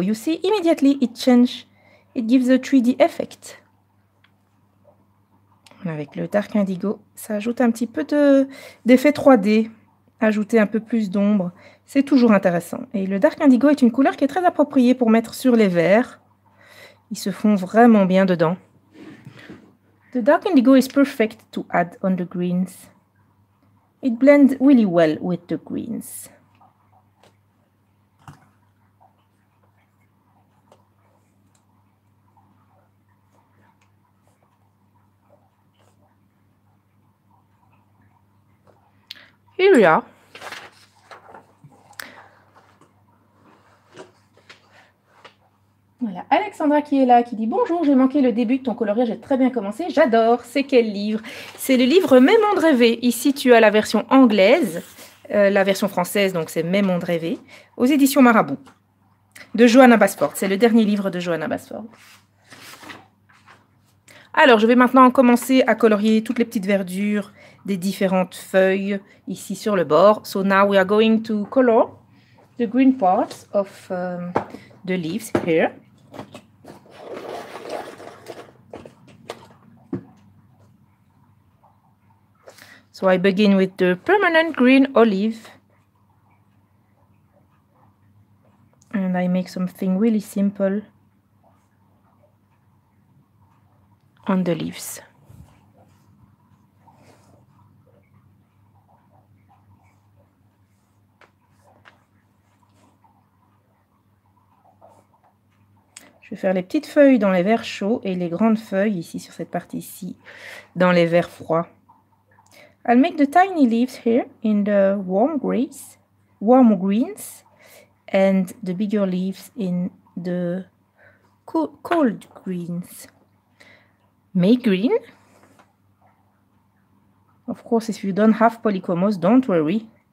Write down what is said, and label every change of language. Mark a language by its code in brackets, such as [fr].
[en] You see, immediately it changes. It gives a 3D effect. [fr] Avec le Dark Indigo, ça ajoute un petit peu d'effet 3D. Ajouter un peu plus d'ombre, c'est toujours intéressant. Et le Dark Indigo est une couleur qui est très appropriée pour mettre sur les verres. Ils se font vraiment bien dedans. [en] The Dark Indigo is perfect to add on the greens. It blends really well with the greens. Here we are. [fr] Voilà, Alexandra qui est là, qui dit « Bonjour, j'ai manqué le début de ton coloriage, j'ai très bien commencé. » J'adore, c'est quel livre? C'est le livre « Mes mondes rêvés ». Ici, tu as la version anglaise, la version française, donc c'est « Mes mondes rêvés », aux éditions Marabout, de Johanna Basford. C'est le dernier livre de Johanna Basford. Alors, je vais maintenant commencer à colorier toutes les petites verdures des différentes feuilles ici sur le bord. [en] So now we are going to color the green parts of the leaves here. So I begin with the permanent green olive. And I make something really simple on the leaves. [fr] Je vais faire les petites feuilles dans les verres chauds et les grandes feuilles ici sur cette partie-ci dans les verres froids. [en] I'll make the tiny leaves here in the warm greens and the bigger leaves in the cold greens. Make green. Of course, if you don't have polychromos, don't worry.